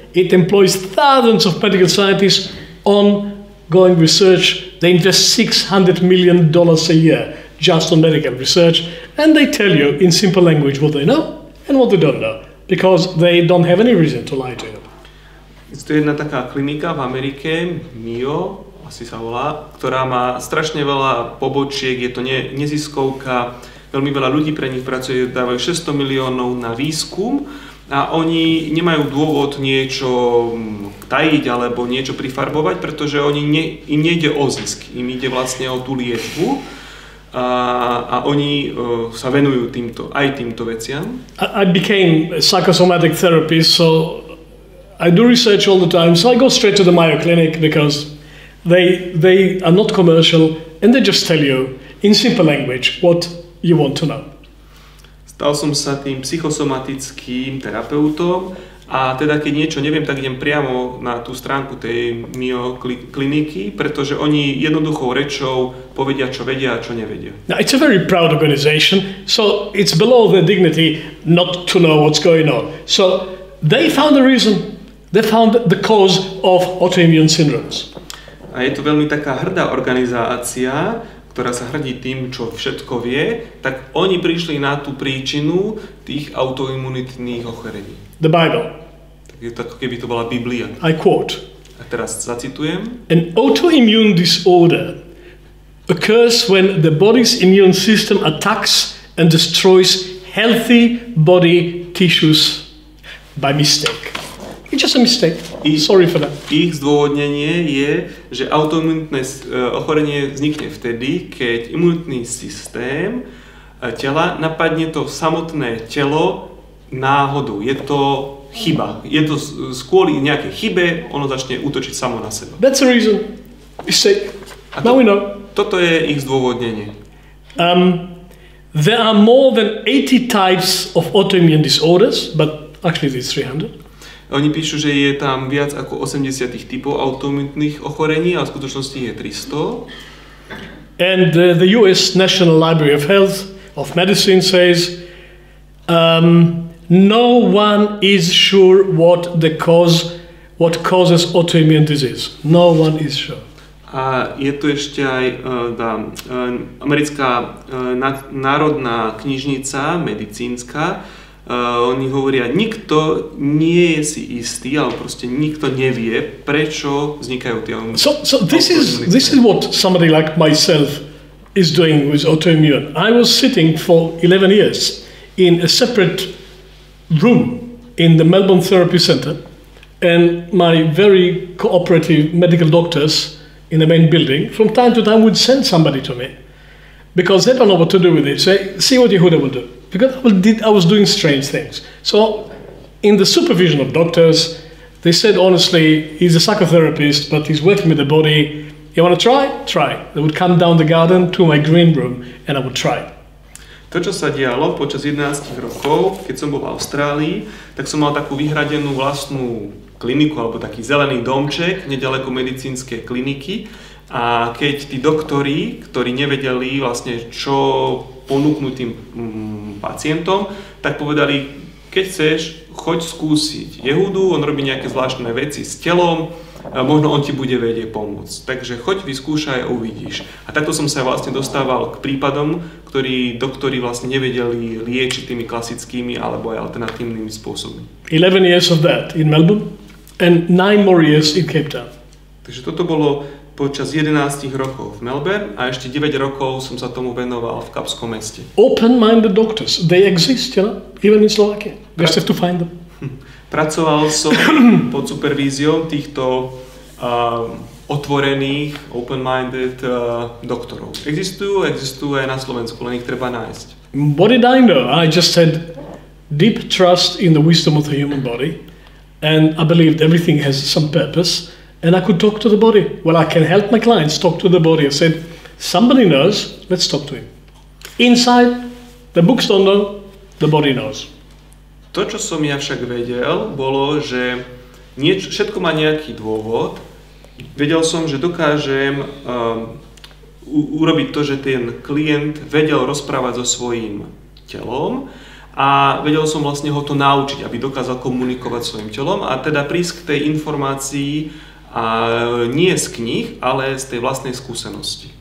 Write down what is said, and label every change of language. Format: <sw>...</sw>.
<en>It employs thousands of medical scientists on going research. They invest $600 million a year just on medical research. And they tell you in simple language what they know and what they don't know, because they don't have any reason to lie to you.</en> <sk>To je jedna taká klinika v Amerike, Mayo, asi sa volá, ktorá má strašne veľa pobočiek, je to neziskovka, veľmi veľa ľudí pre nich pracuje, dávajú 600 miliónov na výskum a oni nemajú dôvod niečo tajiť alebo niečo prifarbovať, pretože im nejde o zisk, im ide vlastne o tú liečbu. A oni sa venujú týmto, aj týmto veciam.</sk> <en>I became a psychosomatic therapist, so I do research all the time, so I go straight to the Mayo Clinic because they are not commercial and they just tell you in simple language what you want to know.</en> <sk>Stal som sa tým psychosomatickým terapeutom a teda keď niečo neviem, tak idem priamo na tú stránku tej Mayo kliniky, pretože oni jednoduchou rečou povedia, čo vedia a čo nevedia.</sk> <en>Now, it's a very proud organization, so it's below their dignity not to know what's going on. So they found a reason. They found the cause of autoimmune syndromes.</en> <sk>A je to veľmi taká hrdá organizácia, ktorá sa hrdí tým, čo všetko vie, tak oni prišli na tú príčinu tých autoimunitných ochorení.</sk> <en>The Bible.</en> <sk>Tak je to ako keby to bola Biblia.</sk> <en>I quote.</en> <sk>A teraz zacitujem.</sk> <en>An autoimmune disorder occurs when the body's immune system attacks and destroys healthy body tissues by mistake. It's just a mistake. Sorry for that.</en> <sk>Ich zdôvodnenie je, že autoimunitné ochorenie vznikne vtedy, keď imunitný systém tela napadne to samotné telo náhodou. Je to chyba. Je to kvôli nejakej chybe, ono začne útočiť samo na seba.</sk> <en>That's the reason. Mistake. Now we know.</en> <sk>Toto je ich zdôvodnenie.</sk> <en>There are more than 80 types of autoimmune disorders, but actually there's 300.</en> <sk>Oni píšu, že je tam viac ako 80 typov autoimunitných ochorení, ale v skutočnosti je 300.</sk> <en>And the US National Library of Health of Medicine says no one is sure what causes autoimmune disease. No one is sure.</en> <sk>A je tu ešte aj americká národná knižnica medicínska. Oni hovoria, nikto nie je si istý, alebo proste nikto nevie, prečo vznikajú tie autoimunity.</sk> <en>So this is what somebody like myself is doing with autoimmune. I was sitting for 11 years in a separate room in the Melbourne Therapy Center, and my very cooperative medical doctors in the main building from time to time would send somebody to me because they don't know what to do with it. Say, see what Yehuda will do. Because I was doing strange things. So in the supervision of doctors, they said, honestly, he's a psychotherapist, but he's working with the body. You want to try? Try. They would come down the garden to my green room and I would try.</en> <sk>To, čo sa dialo počas 11 rokov, keď som bol v Austrálii, tak som mal takú vyhradenú vlastnú kliniku alebo taký zelený domček nedaleko medicínskej kliniky. A keď tí doktori, ktorí nevedeli vlastne, čo ponúknuť tým pacientom, tak povedali, keď chceš, choď skúsiť Jehudu, on robí nejaké zvláštne veci s telom, možno on ti bude vedieť pomôcť. Takže choď, vyskúšaj a uvidíš. A takto som sa vlastne dostával k prípadom, ktorí doktori vlastne nevedeli liečiť tými klasickými alebo aj alternatívnymi spôsobmi.</sk> <en>11 years of that in Melbourne and 9 more years in Cape Town.</en> <sk>Takže toto bolo počas 11 rokov v Melbourne a ešte 9 rokov som sa tomu venoval v Kapskom meste.</sk> <en>Open-minded doctors, they exist, you know, even in Slovakia. You just have to find them.</en> <sk>Pracoval som pod supervíziou týchto otvorených, open-minded doktorov. Existuje na Slovensku, len ich treba nájsť.</sk> <en>What did I know? I just said deep trust in the wisdom of the human body, and I believed everything has some purpose, and I could talk to the body. Well, I can help my clients talk to the body. I said, somebody knows, let's talk to him. Inside, the books don't know, the body knows.</en> <sk>To, čo som ja však vedel, bolo, že všetko má nejaký dôvod. Vedel som, že dokážem urobiť to, že ten klient vedel rozprávať so svojím telom a vedel som vlastne ho to naučiť, aby dokázal komunikovať svojim telom a teda prísť k tej informácii nie z knih, ale z tej vlastnej skúsenosti.</sk>